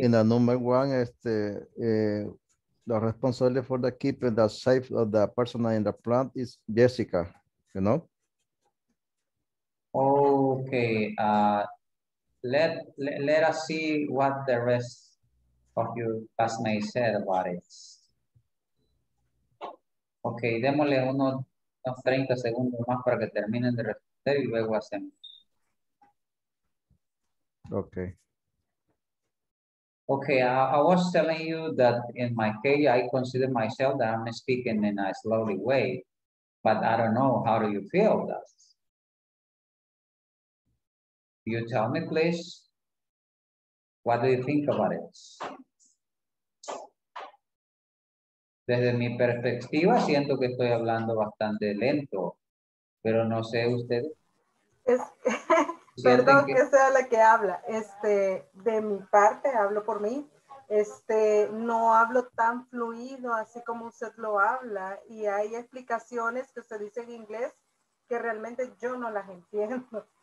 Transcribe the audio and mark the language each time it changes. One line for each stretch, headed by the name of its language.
English: In the number one, este, the responsible for the keeping the safe of the person in the plant is Jessica, you know? Okay. Let us see what the rest of your classmates said about it.
Spanish: Okay, démosle unos 30 segundos más para que terminen de responder y luego hacemos. Okay.
English: Okay, I was telling you that in my case, I consider myself that I'm speaking in a slowly way, but I don't know, how do you feel that? You tell me, please, what do you think about it?
Spanish: Desde mi perspectiva, siento que estoy hablando bastante lento, pero no sé ustedes. Es, perdón que sea la que habla. Este, de mi parte, hablo por mí, no hablo tan fluido así como usted lo habla, y hay explicaciones que usted dice en inglés que realmente yo no las entiendo.